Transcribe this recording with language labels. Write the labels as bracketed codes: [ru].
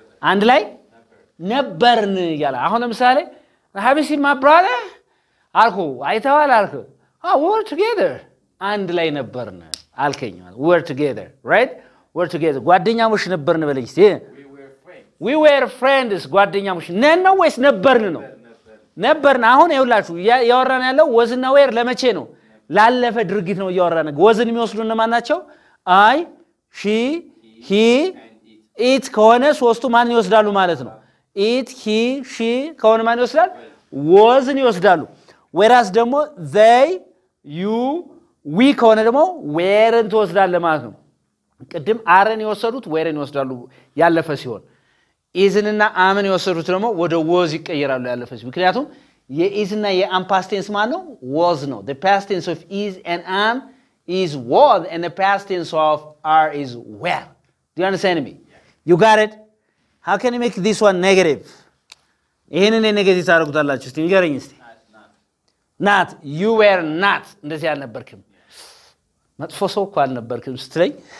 [am] አንድ ላይ ነበርን እያለ አሁን ለምሳሌ [en] have you seen my brother? [am] አልኩ አይተዋል አልኩ። [en] Oh, we were together. [am] አንድ ላይ ነበርን አልከኝ ማለት [en] we were together, right? We're together. [am] ጓደኛሞች ነበርን በል እስቲ። [en] We were friends. [am] ጓደኛሞች ነን ነው ወይስ ነበርን ነው? ነበርን። አሁን ይኸውላችሁ እያወራን ያለው ወዝና ዌር ለመቼ ነው? ላለፈ ድርጊት ነው እያወራን። ወዝን የሚወስዱ እነማን ናቸው? አይ ሺ ሂ ኢት ከሆነ ሶስቱ ማንን ይወስዳሉ ማለት ነው። ኢት ሂ ሺ ከሆነ ማን ይወስዳል? ወዝን ይወስዳሉ። ዌራስ ደግሞ ዘይ ዩ ዊ ከሆነ ደግሞ ዌርን ትወስዳለ ማለት ነው። ቅድም አርን የወሰዱት ዌርን ይወስዳሉ ያለፈ ሲሆን፣ ኢዝንና አምን የወሰዱት ደግሞ ወደ ወዝ ይቀየራሉ ያለፈ ሲሆን። ምክንያቱም የኢዝና የአም ፓስት ቴንስ ማን ነው? ወዝ ነው። [en] ዘ ፓስት ቴንስ ኦፍ ኢዝ ኤን አም is was and the past tense of are is were. Do you understand me? Yes. You got it? How can you make this one negative? [am] ይሄንን ኔጌቲቭ ታደርጉታላችሁ እስቲ ንገረኝ እስቲ። [en] Not. You were not. [am] እንደዚህ አልነበርክም። መጥፎ ሰው እኮ አልነበርክም ስትለኝ